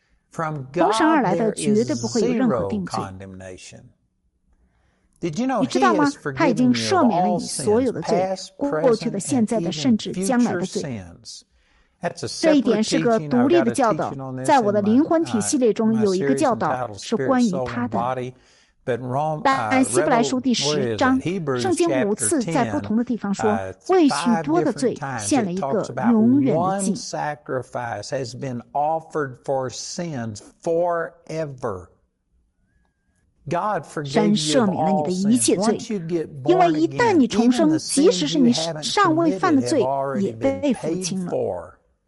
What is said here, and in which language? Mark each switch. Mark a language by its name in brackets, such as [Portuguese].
[English] From God, there is zero condemnation. Did you know He has forgiven you of all sins, past, present, and even future sins? That's a separate teaching. I've got a teaching on this in my series entitled Spirit, Soul, and Body. But Rome, [Chinese] 但安息布来书第十章, 圣经五次在不同的地方说，为许多的罪献了一个永远的祭。 [English] One sacrifice has been offered for sins forever. God forgave you of all sins. Once you get born again, even the sins you haven't committed have already been paid for.